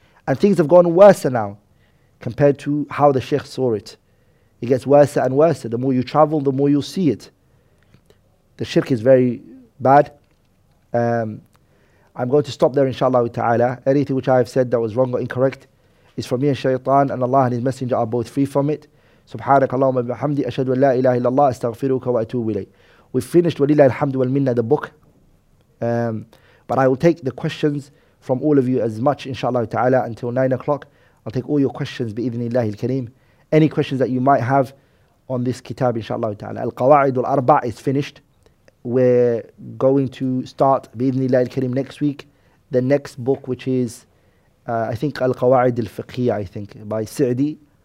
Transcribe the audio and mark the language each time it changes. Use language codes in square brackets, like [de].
[en] And things have gone worse now compared to how the Shaykh saw it. It gets worse and worse. The more you travel, the more you see it. The shirk is very bad. I'm going to stop there, inshallah ta'ala. Anything which I have said that was wrong or incorrect is from me and Shaytan, and Allah and His Messenger are both free from it. [ar] سبحانك اللهم وبحمدك أشهد أن لا إله إلا الله أستغفرك وأتوب إليك. [en] We've finished [ar] ولله الحمد والمنة [en] the book, but I will take the questions from all of you as much inshallah ta'ala until 9 o'clock. I'll take all your questions [ar] بإذن الله الكريم. [en] Any questions that you might have on this kitab inshallah ta'ala. Al-Qawa'id al-Arba' is finished. We're going to start [ar] بإذن الله الكريم [en] next week the next book, which is I think Al-Qawa'id al-Fiqhiyya, I think, by Sa'di.